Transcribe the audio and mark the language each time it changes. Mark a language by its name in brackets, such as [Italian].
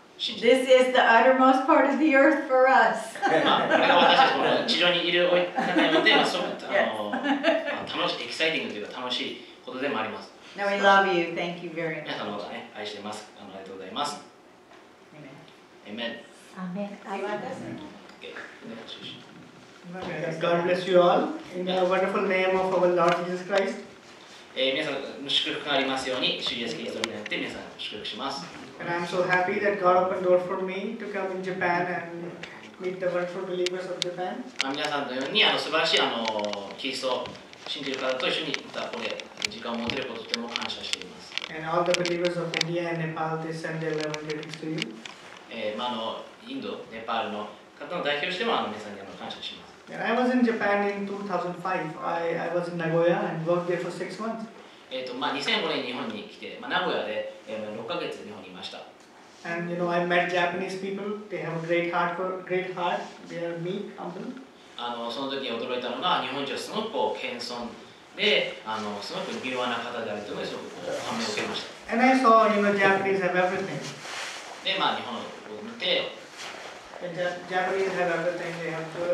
[English] This is the uttermost part of the earth for us. [Japanese] まあこれが私たちこの地上にいる世界において、まあそう、あの、まあ、楽しいエキサイティングというか楽しいことでもあります。 [English] Now we love you. Thank you very much. [Japanese] 皆さんのことね、愛しています。あの、ありがとうございます。 [English] Amen. Amen. Amen. God bless you all in the wonderful name of our Lord Jesus Christ. [Japanese] 皆さんの祝福がありますように、主イエスキリストによって皆さん祝福します。 [English] And I'm so happy that God opened door for me to come in Japan and meet the wonderful believers of Japan. [Japanese] 皆さんのようにあの素晴らしいあのキリスト信じる方と一緒にまたこれ時間を持てることをとても感謝しています。 [English] And all the believers of India and Nepal, they send their love and greetings to you. [Japanese] まあ、のインド、ネパールの方の代表としてもあの皆さんにあの感謝します。 [English] And I was in Japan in 2005. I was in Nagoya and worked there for 6 months. [Japanese] まあ、2005年に日本に来て、まあ、名古屋で、6ヶ月日本にいました。 [English] And you know, I met Japanese people. They have a great heart. They are meek, humble. [Japanese] あのその時に驚いたのが、日本人はすごく謙遜で、あのすごく柔和な方であるというのですごく感銘を受けました。 [English] And I saw, you know, Japanese have everything. [Japanese] で、まあ、日本を見て、 [English] Japanese have everything. They have